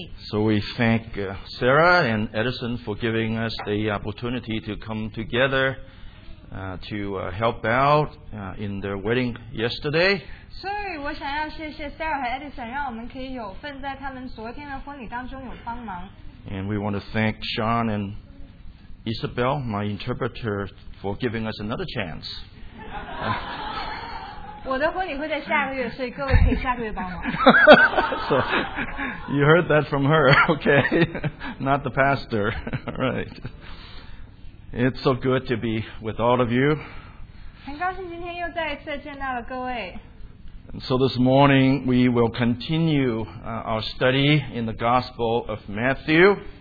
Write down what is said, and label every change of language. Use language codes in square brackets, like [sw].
[en] So we thank Sarah and Edison for giving us the opportunity to come together to help out in their wedding yesterday. So I want to thank Sarah and Edison so we can have a part in their wedding yesterday. And we want to thank Sean and Isabel, my interpreter, for giving us another chance. [zh] 我的婚礼会在下个月，所以各位可以下个月帮忙。 [en] So, you heard that from her, okay? Not the pastor, right? It's so good to be with all of you. [zh] 很高兴今天又再一次见到了各位。 [en] And so this morning, we will continue our study in the Gospel of Matthew.